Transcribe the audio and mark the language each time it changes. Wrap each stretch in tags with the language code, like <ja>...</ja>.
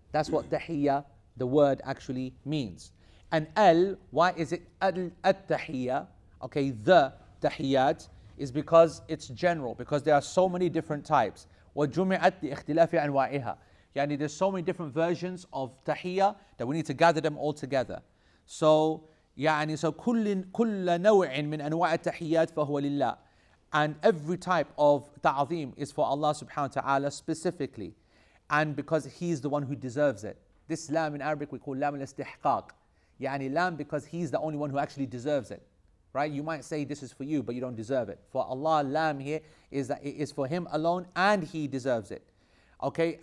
<en>That's what tahiyya, the word actually means. And al, why is it al-tahiyya? Okay, the tahiyyat is because it's general, because there are so many different types.</en> <ar>وَجُمِعَتْ لِإِخْتِلَافِ أَنْوَائِهَا.</ar> <en>Yani there's so many different versions of tahiyya that we need to gather them all together.</en> <ar>So, yani, so كُلَّ نَوْعٍ مِنْ أَنْوَاءَ التَّحِيَّاتِ فَهُوَ لِلَّهِ.</ar> <en>And every type of ta'zeem is for Allah subhanahu wa ta'ala specifically. And because He's the one who deserves it. This lam in Arabic we call lam al-istihqaq. Yani lam because He's the only one who actually deserves it. Right? You might say this is for you, but you don't deserve it. For Allah, lam here is that it is for Him alone and He deserves it. Okay?</en>